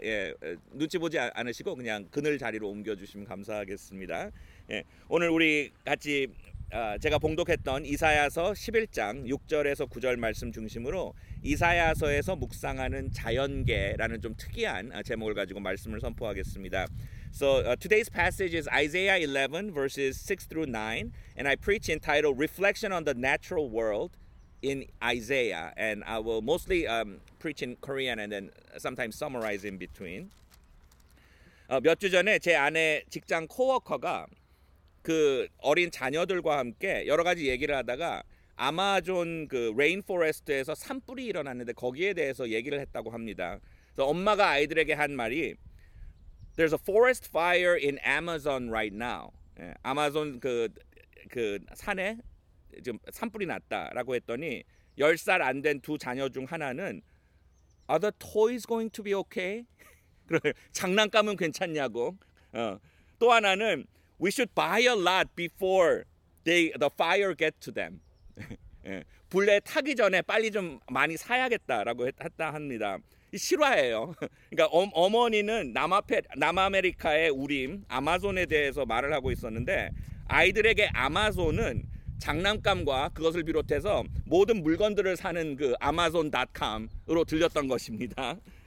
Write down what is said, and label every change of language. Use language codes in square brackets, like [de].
[ko] 예, 눈치 보지 않으시고 그냥 그늘 자리로 옮겨주시면 감사하겠습니다. 예, 오늘 우리 같이 제가 봉독했던 이사야서 11장 6절에서 9절 말씀 중심으로 이사야서에서 묵상하는 자연계라는 좀 특이한 제목을 가지고 말씀을 선포하겠습니다. [en] So today's passage is Isaiah 11 verses 6 through 9, and I preach entitled "Reflection on the Natural World in Isaiah," and I will mostly preach in Korean and then sometimes summarize in between. [ko] 몇주 전에 제 아내 직장 코워커가 그 어린 자녀들과 함께 여러 가지 얘기를 하다가 아마존 그 레인포레스트에서 산불이 일어났는데 거기에 대해서 얘기를 했다고 합니다. 그래서 엄마가 아이들에게 한 말이 [en] "There's a forest fire in Amazon right now." [ko] 예, 아마존 그 산에 지금 산불이 났다라고 했더니 10살 안된두 자녀 중 하나는 [en] "Are the toys going to be okay?" [ko] 장난감은 괜찮냐고. 또 하나는 [en] "We should buy a lot before the fire get to them." [ko] 불에 타기 전에 빨리 좀 많이 사야겠다라고 했다 합니다. 실화예요. 그러니까 어머니는 남아메리카의 우림 아마존에 대해서 말을 하고 있었는데, 아이들에게 아마존은 장난감과 그것을 비롯해서 모든 물건들을 사는 그 아마존.com으로 들렸던 것입니다.